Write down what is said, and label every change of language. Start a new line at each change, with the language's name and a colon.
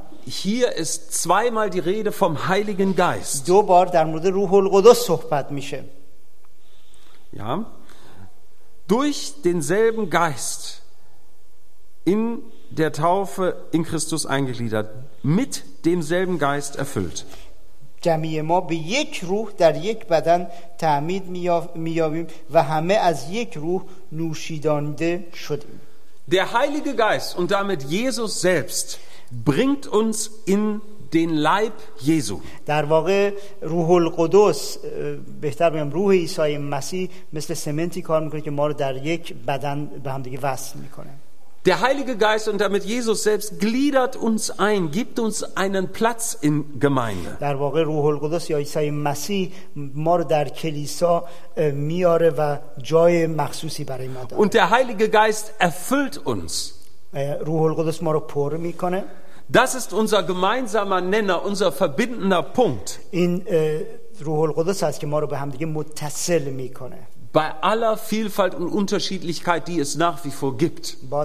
German: Hier ist zweimal die Rede vom Heiligen Geist.
Persian: دو بار در مورد روح القدس صحبت میشه.
German: Ja. Durch denselben Geist in der Taufe in Christus eingegliedert, mit demselben Geist erfüllt.
Persian: جمعی ما به یک روح در یک بدن تعمید می‌یابیم و همه از یک روح نوشیدانده شدیم.
German: Der Heilige Geist und damit Jesus selbst bringt uns in den Leib Jesu.
Persian: در واقع روح القدس بهتر بگم روح عیسی مسیح مثل سمنتی کار میکنه که ما رو در یک بدن به هم دیگه وصل میکنه.
German: Der Heilige Geist und damit Jesus selbst gliedert uns ein, gibt uns einen Platz in Gemeinde.
Persian: در واقع روح القدس یا عیسی مسیح ما رو در کلیسا میاره و جای مخصوصی برای ما داره.
German: Und der Heilige Geist erfüllt uns.
Persian: روح القدس ما رو پر میکنه.
German: Das ist unser gemeinsamer Nenner, unser verbindender Punkt.
Persian: این روح القدس است که ما رو به هم دیگه متصل میکنه.
German: Bei aller Vielfalt und Unterschiedlichkeit, die es nach wie vor gibt.